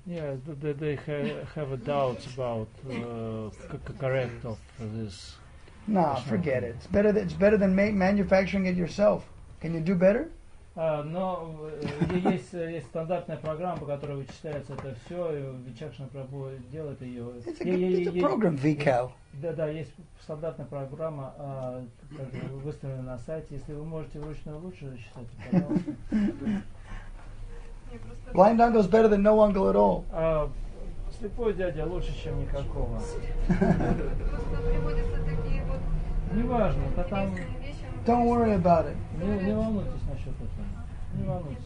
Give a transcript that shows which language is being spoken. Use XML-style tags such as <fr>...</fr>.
<en>Yeah, they have a doubt about correct of this. Nah, forget it. It's better than manufacturing it yourself. Can you do better?</en> <ru>Но есть стандартная программа, по которой вычисляется это все, и Вичакшина Прабху делает ее.</ru> <en>It's a program, VCAL.</en> <ru>Да, есть стандартная программа, выставлена на сайте. Если вы можете вручную лучше рассчитать, пожалуйста.</ru> <en>Blind uncle is better than no uncle at all.</en> <ru>Слепой дядя лучше, чем никакого. Просто приводятся такие вот... Неважно, то там...</ru> <en>Don't worry about it.</en> <ru>Не волнуйтесь насчет этого.</ru>